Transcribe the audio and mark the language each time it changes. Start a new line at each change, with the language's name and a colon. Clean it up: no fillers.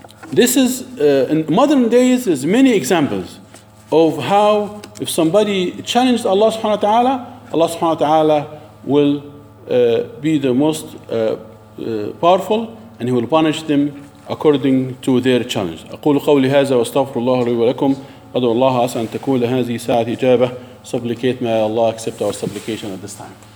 English: This is in modern days, there's many examples of how if somebody challenged Allah subhanahu wa ta'ala, Allah subhanahu wa ta'ala will be the most powerful, and he will punish them according to their challenge.
Arabic: أقول قولي هذا واستغفر الله لي ولكم أدعو الله عسى أن تكون لهذه ساعة إجابة.
English: Supplicate, may Allah accept our supplication at this time.